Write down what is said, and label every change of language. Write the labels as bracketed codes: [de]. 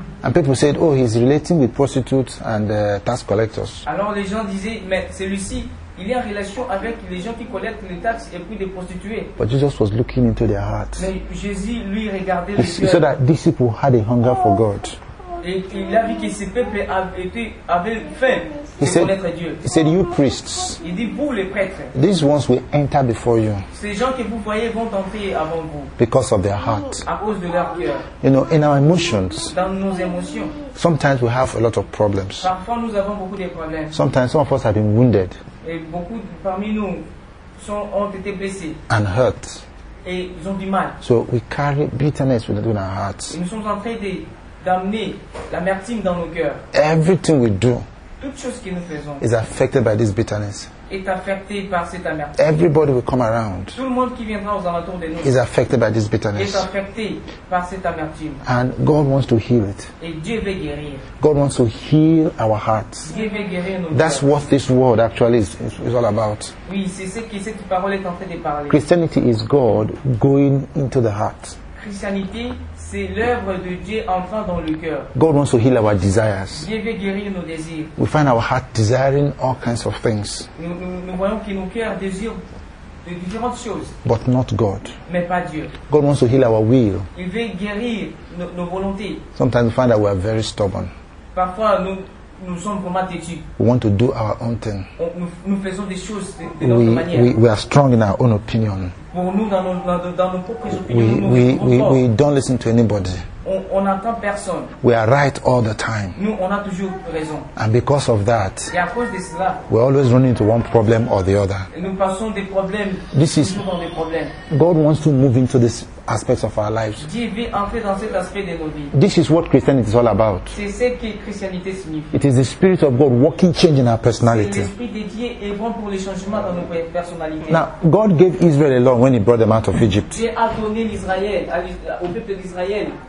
[en] And people said, "Oh, he's relating with prostitutes and tax collectors." [fr] Alors les gens disaient, mais celui-ci. Il est en relation avec les gens qui collectent les taxes et puis des prostituées. [en] But Jesus was looking into their hearts. [fr] Mais Jésus lui regardait les cœurs. [en] He saw that these people had a hunger for God. [fr] Et il a vu que ces peuples avaient faim de connaître Dieu. [en] He said, "You priests." [fr] Il dit, vous les prêtres. [en] These ones will enter before you. [fr] Ces gens que vous voyez vont entrer avant vous. [en] Because of their hearts. [fr] À cause de leur cœur. [en] You know, in our emotions. [fr] Dans nos émotions. [en] Sometimes we have a lot of problems. [fr] Parfois nous avons beaucoup de problèmes. [en] Sometimes some of us have been wounded. [fr] Et beaucoup parmi nous ont été blessés. [en] And hurt. [fr] Et ils ont du mal. [en] So we carry bitterness within our hearts. [fr] Et nous sommes en train d'amener l'amertume dans nos cœurs. [en] Everything we do. [fr] Toute chose que nous faisons. [en] Is affected by this bitterness. [fr] Est affecté par cette amertume. [en] Everybody will come around. [fr] Tout le monde qui viendra aux alentours de nous. [en] Is affected by this bitterness. [fr] Est affecté par cette amertume. [en] And God wants to heal it. [fr] Et Dieu veut guérir. [en] God wants to heal our hearts. [fr] Dieu veut guérir nos cœurs. [en] That's what this word actually is all about. [fr] Oui, c'est ce que cette parole est en train de parler. [en] Christianity is God going into the heart. [fr] Christianité, c'est l'œuvre de Dieu entrant dans le cœur. [en] God wants to heal our desires. [fr] Dieu veut guérir nos désirs. [en] We find our heart desiring all kinds of things. [fr] Nous voyons que nos cœurs désirent de différentes choses. [en] But not God. [fr] Mais pas Dieu. [en] God wants to heal our will. [fr] Il veut guérir nos volontés. [en] Sometimes we find that we are very stubborn. [fr] Parfois nous sommes vraiment têtus. [en] We want to do our own thing. [fr] Nous faisons des choses de notre manière. [en] We are strong in our own opinion. [fr] Pour nous, dans nos propres opinions, [en] we don't listen to anybody. [fr] On n'entend personne. [en] We are right all the time. [fr] Nous, on a toujours raison. [en] And because of that, [fr] et à cause de cela, [en] we always run into one problem or the other. [fr] Et nous passons des problèmes. [en] This is [fr] toujours des problèmes. [en] God wants to move into this aspect of our lives. [fr] Dieu veut entrer dans cet aspect de nos vies. [en] This is what Christianity is all about. [fr] C'est ce que Christianité signifie. [en] It is the Spirit of God working change in our personality. [fr] C'est l'Esprit de Dieu et bon pour les changements dans nos personnalités. [en] Now, God gave Israel a law when He brought them out of Egypt. [fr] Dieu a donné l'Israël au peuple d'Israël.